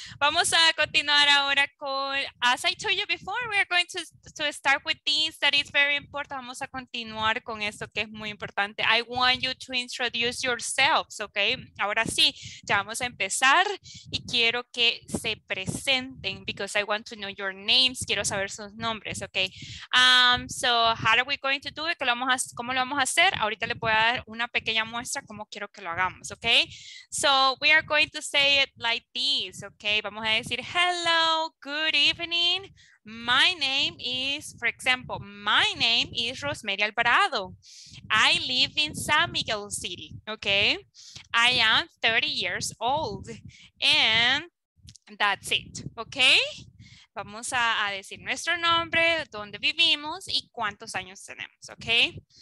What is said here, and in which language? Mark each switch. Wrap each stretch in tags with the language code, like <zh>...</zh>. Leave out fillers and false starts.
<es>Vamos a continuar ahora con,</es> <en>as I told you before, we are going to start with this, that is very important.</en> <es>Vamos a continuar con esto que es muy importante.</es> <en>I want you to introduce yourselves, ok.</en> <es>Ahora sí, ya vamos a empezar y quiero que se presenten</es> <en>because I want to know your names.</en> <es>Quiero saber sus nombres, ok.</es> <en>So how are we going to do it?</en> <es>¿Cómo lo vamos a hacer? Ahorita le voy a dar una pequeña muestra cómo quiero que lo hagamos, ok.</es> <en>So we are going to say it like this, okay?</en> <es>Vamos a decir,</es> <en>hello, good evening. My name is, for example, my name is Rosemary Alvarado. I live in San Miguel City, okay? I am 30 years old and that's it, okay?</en> <es>Vamos a decir nuestro nombre, dónde vivimos y cuántos años tenemos, okay?</es>